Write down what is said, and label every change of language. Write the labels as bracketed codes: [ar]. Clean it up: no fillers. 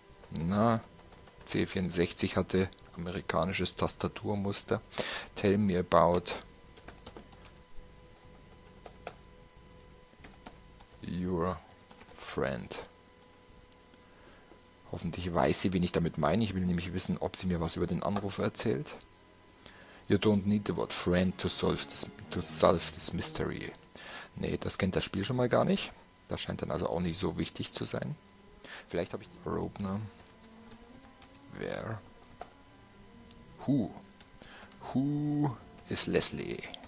[de] Na, C64 hatte amerikanisches Tastaturmuster. [en] Tell me about your friend. [de] Hoffentlich weiß sie, wen ich damit meine. Ich will nämlich wissen, ob sie mir was über den Anrufer erzählt. [en] You don't need the word friend to solve this mystery. [de] Nee, das kennt das Spiel schon mal gar nicht. Das scheint dann also auch nicht so wichtig zu sein. Vielleicht habe ich die Robner. [en] Where? Who? Who is Leslie?